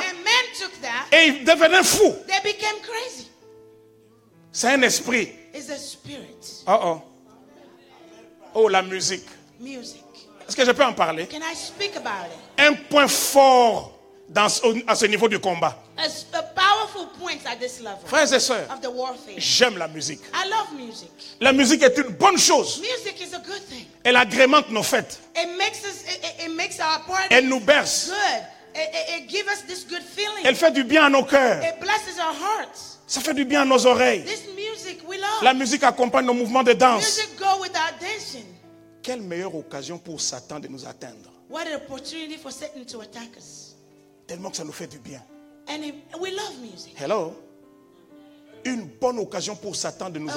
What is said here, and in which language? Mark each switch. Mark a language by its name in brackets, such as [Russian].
[English] And men took that. [French] Et ils devenaient fous. [English] They became crazy. [French] C'est un esprit. [English] It's a spirit. [French] Oh, la musique. [English] Music. [French] Est-ce que je peux en parler? [English] Can I speak about it? [French] Un point fort dans, à ce niveau du combat. [English] A powerful point at this level. [French] Frères et sœurs, [English] of the warfare. [French] J'aime la musique. [English] I love music. [French] La musique est une bonne chose. [English] Music is a good thing. [French] Elle agrémente nos fêtes. [English] It makes our party. [French] Elle nous berce. [English] Good. It gives us this good feeling. [French] Elle fait du bien à nos cœurs. [English] It blesses our hearts. [French] Ça fait du bien à nos oreilles. [English] This music we love. [French] La musique accompagne nos mouvements de danse. [English] Music go with our dancing. [French] Quelle meilleure occasion pour Satan de nous atteindre. [English] What an opportunity for Satan to attack us. [French] Tellement que ça nous fait du bien. [English] And we love music. Hello? [French] Une bonne occasion pour Satan de nous